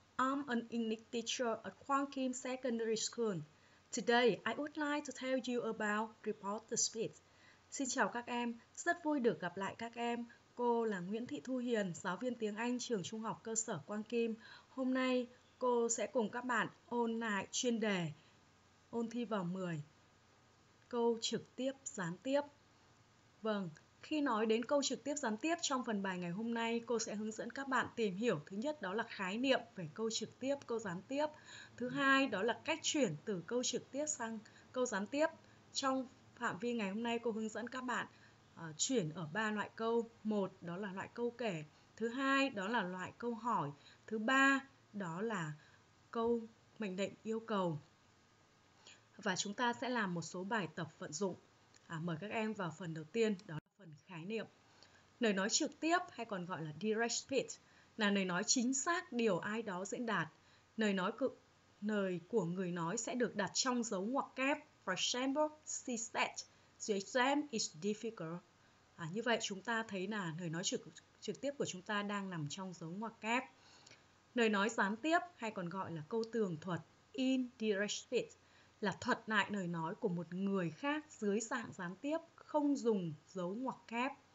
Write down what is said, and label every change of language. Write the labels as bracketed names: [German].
[English] I'm an English teacher at Quang Kim Secondary School. Today, I would like to tell you about Report the Speed. [Vietnamese] Xin chào các em, rất vui được gặp lại các em. Cô là Nguyễn Thị Thu Hiền, giáo viên tiếng Anh trường trung học cơ sở Quang Kim. Hôm nay, cô sẽ cùng các bạn ôn lại chuyên đề ôn thi vào 10. Câu trực tiếp, gián tiếp. Vâng. Khi nói đến câu trực tiếp gián tiếp trong phần bài ngày hôm nay, cô sẽ hướng dẫn các bạn tìm hiểu thứ nhất đó là khái niệm về câu trực tiếp, câu gián tiếp. Thứ hai đó là cách chuyển từ câu trực tiếp sang câu gián tiếp. Trong phạm vi ngày hôm nay, cô hướng dẫn các bạn chuyển ở 3 loại câu. Một đó là loại câu kể. Thứ hai đó là loại câu hỏi. Thứ ba đó là câu mệnh lệnh yêu cầu. Và chúng ta sẽ làm một số bài tập vận dụng. Mời các em vào phần đầu tiên đó. Phần khái niệm. Lời nói trực tiếp hay còn gọi là direct speech là lời nói chính xác điều ai đó diễn đạt. Lời của người nói sẽ được đặt trong dấu ngoặc kép. [English] For example, she said, the exam is difficult. [Vietnamese] Như vậy chúng ta thấy là lời nói trực tiếp của chúng ta đang nằm trong dấu ngoặc kép. Lời nói gián tiếp hay còn gọi là câu tường thuật, indirect speech, là thuật lại lời nói của một người khác dưới dạng gián tiếp, không dùng dấu ngoặc kép.